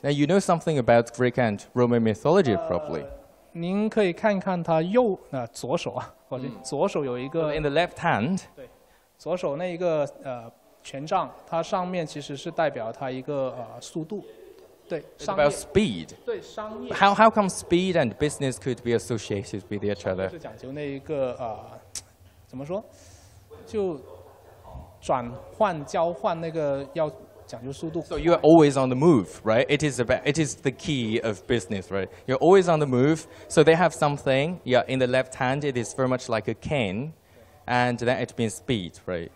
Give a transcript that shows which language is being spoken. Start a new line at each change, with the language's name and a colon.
English: Now you know something about Greek and Roman mythology, probably.
Chinese: 您可以看看它右左手啊，或者左手有一个
English: in the left hand.
Chinese: 对，左手那一个权杖，它上面其实是代表它一个速度，对，商业。
English: About speed.
Chinese: 对，商业.
English: How come speed and business could be associated with each other?
Chinese: 是讲究那一个怎么说，就。转换交换那个要讲究速度。So
English: you are always on the move, right? It is about, it is the key of business, right? You're always on the move. So they have something. Yeah, in the left hand, it is very much like a cane, and then it means speed, right?